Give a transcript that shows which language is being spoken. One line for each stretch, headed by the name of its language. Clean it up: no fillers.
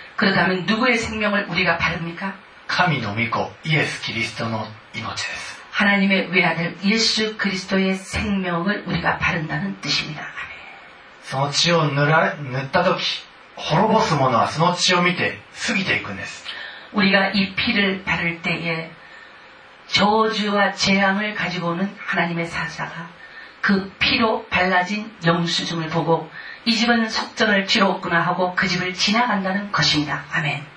Korean: 그렇다면누구의생명을우리가바릅니까
Japanese: 神の御子イエスキリストの命です
Korean: 하나님의외아들예수그리스도의생명을우리가바른다는뜻입니다
Japanese: その血を塗った時滅ぼす者はその血を見て過ぎていくんです
Korean: 우리가이피를바를때에저주와재앙을가지고오는하나님의사자가그피로발라진영수증을보고이집은속전을치러왔구나하고그집을지나간다는것입니다아멘